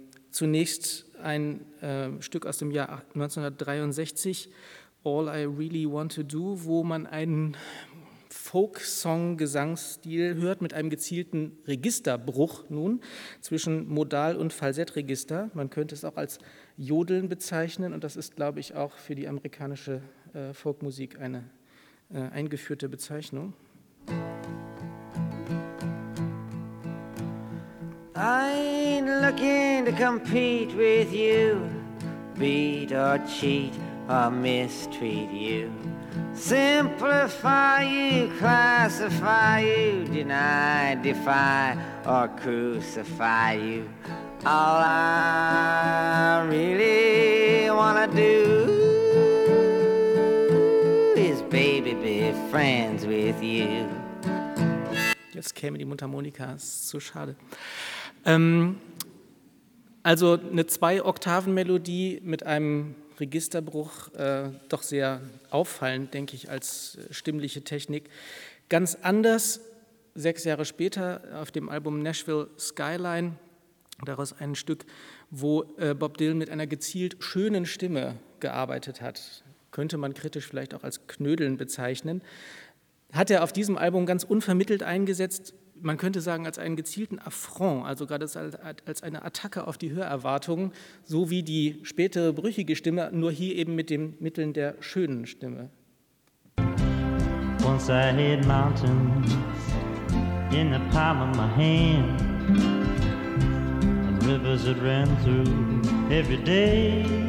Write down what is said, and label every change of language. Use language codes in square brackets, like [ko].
[de] Zunächst ein Stück aus dem Jahr 1963, All I Really Want to Do, wo man einen Folk-Song-Gesangsstil hört mit einem gezielten Registerbruch nun zwischen Modal- und Falsettregister. Man könnte es auch als Jodeln bezeichnen und das ist, glaube ich, auch für die amerikanische Folkmusik eine eingeführte Bezeichnung. [en] I ain't looking to compete with you, beat or cheat, or mistreat you. Simplify you, classify you, deny, defy, or crucify you. All I really wanna do is, baby, be friends with you. [de] Jetzt käme die Mundharmonika, ist so schade. Also eine 2-Oktaven-Melodie mit einem Registerbruch, doch sehr auffallend, denke ich, als stimmliche Technik. Ganz anders, 6 Jahre später auf dem Album Nashville Skyline, daraus ein Stück, wo Bob Dylan mit einer gezielt schönen Stimme gearbeitet hat, könnte man kritisch vielleicht auch als Knödeln bezeichnen, hat er auf diesem Album ganz unvermittelt eingesetzt, man könnte sagen, als einen gezielten Affront, also gerade als eine Attacke auf die Hörerwartungen, so wie die spätere brüchige Stimme, nur hier eben mit den Mitteln der schönen Stimme. [en] Once I hid mountains in the palm of my hand, and rivers that ran through every day.